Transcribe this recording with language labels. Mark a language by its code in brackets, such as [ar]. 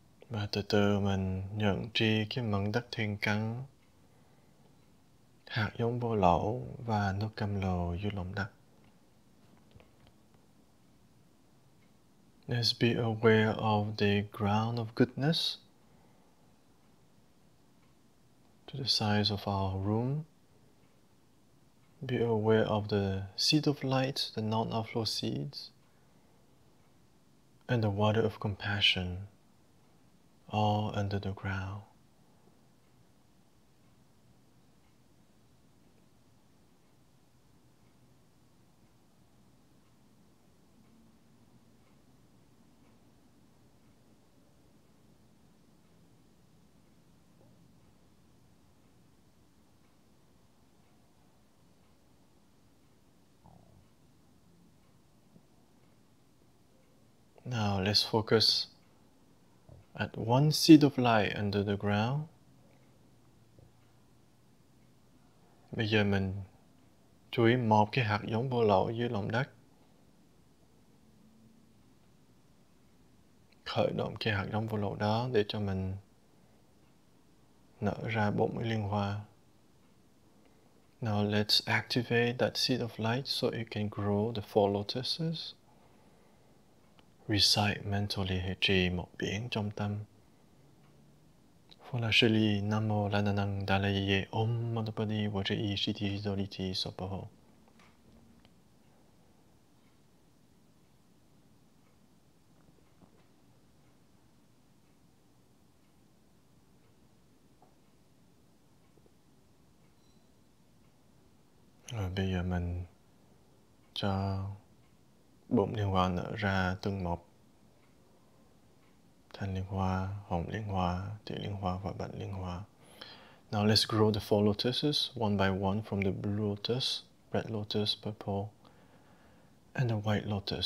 [vi] Và từ từ mình nhận tri cái mảnh đất thiên căn, hạt giống vô lậu và nước cam lồ dưới lòng đất. [en] Let's be aware of the ground of goodness to the size of our room. Be aware of the seed of light, the non-outflow seeds, and the water of compassion all under the ground. Now let's focus at one seed of light under the ground. [vi] Bây giờ mình chú ý một cái hạt giống vô lậu dưới lòng đất. Khởi động cái hạt giống vô lậu đó để cho mình nở ra 40 liên hoa. [en] Now let's activate that seed of light so it can grow the four lotuses. Recite mentally [vi] hay trì một biển trong tâm. [sa] Phu la sư li nam mô la na năng đà la yê om ma đa pa di vô trì yi sư thi do li thi so pa ho. [vi] Rồi bây giờ mình cho bốn liên hoa nở ra từng một. Thanh liên hoa, hồng liên hoa, tiểu liên hoa và bạch liên hoa. [en] Now let's grow the four lotuses one by one from the blue lotus, red lotus, purple and the white lotus.